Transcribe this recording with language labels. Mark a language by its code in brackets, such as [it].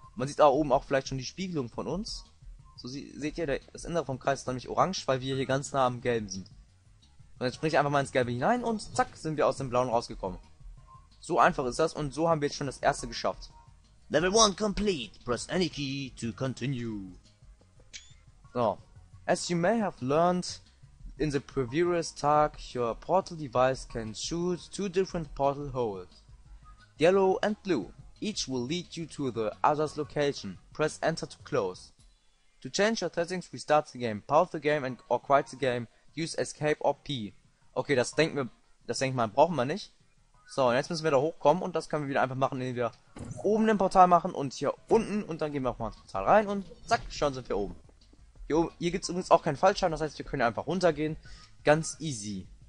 [de] Man sieht da oben auch vielleicht schon die Spiegelung von uns. So, seht ihr, das Innere vom Kreis ist nämlich orange, weil wir hier ganz nah am Gelben sind. Und jetzt springe ich einfach mal ins Gelbe hinein und zack, sind wir aus dem Blauen rausgekommen. So einfach ist das und so haben wir jetzt schon das erste geschafft. [en] Level 1 complete. Press any key to continue. So, as you may have learned in the previous talk, your portal device can choose two different portal holes, yellow and blue. Each will lead you to the other's location. Press enter to close. To change your settings, restart the game, pause the game and or quit the game, use escape or P. [de] Okay, das denke ich mal, brauchen wir nicht. So, und jetzt müssen wir da hochkommen und das können wir wieder einfach machen, indem wir oben ein Portal machen und hier unten und dann gehen wir auch mal ins Portal rein und zack, schon sind wir oben. Hier gibt es übrigens auch keinen Fallschirm, das heißt, wir können einfach runtergehen. Ganz easy.